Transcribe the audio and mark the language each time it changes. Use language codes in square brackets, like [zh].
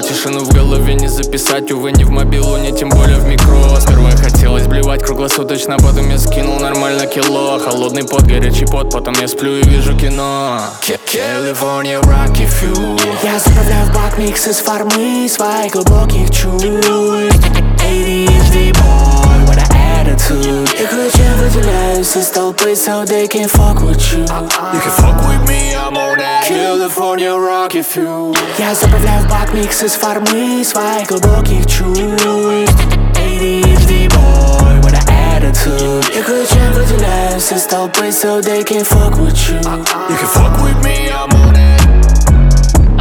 [ru] Тишину в голове не записать, увы, ни в мобилу, ни тем более в микро. Сперва хотелось блевать круглосуточно, потом я скинул нормально кило. Холодный пот, горячий пот, потом я сплю и вижу кино. [en] California Rocky Fuel. [ru] Я заправляю в бак микс из фармы своих глубоких чувств. [en] ADHD boy, what a attitude. [ru] Я ключи выделяюсь из толпы, [en] so they can fuck with you. You can fuck with me, I'm on that California Rocky Fuel. [ru] Я заправляю в бак микс из фармы своих глубоких чувств. [en] ADHD boy, what a attitude. [ru] Я ключи выделяюсь из толпы, [en] so they can fuck with you. You can fuck with me, I'm on that.